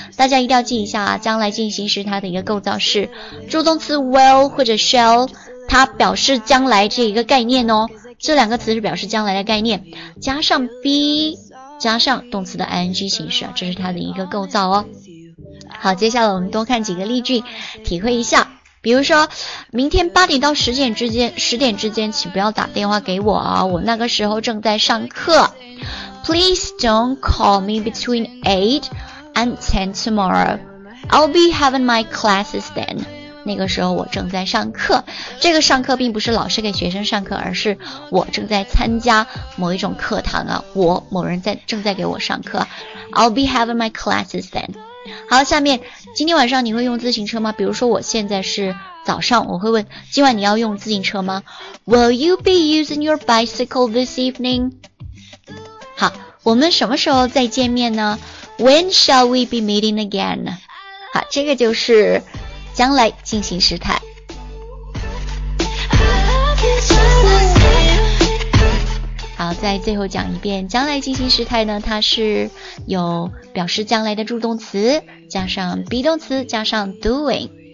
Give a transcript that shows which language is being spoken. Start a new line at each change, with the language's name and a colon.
Chinese: 大家一定要记一下啊，将来进行时它的一个构造是助动词 will 或者 shall， 它表示将来这一个概念哦，这两个词是表示将来的概念，加上 be 加上动词的 ing 形式啊，这是它的一个构造哦。好，接下来我们多看几个例句体会一下。比如说明天8点到10点之间请不要打电话给我啊，我那个时候正在上课。
English: Please don't call me between 8 and 10 tomorrow. I'll be having my classes then.
Chinese: 那个时候我正在上课，这个上课并不是老师给学生上课，而是我正在参加某一种课堂啊，我某人在正在给我上课。
English: I'll be having my classes then.
Chinese: 好，下面今天晚上你会用自行车吗？比如说我现在是早上，我会问今晚你要用自行车吗？
English: Will you be using your bicycle this evening?
Chinese: 好，我们什么时候再见面呢？
English: When shall we be meeting again?
Chinese: 好，这个就是将来进行时态。好，在最后讲一遍，将来进行时态呢，它是有表示将来的助动词，加上 be 动词，加上 doing。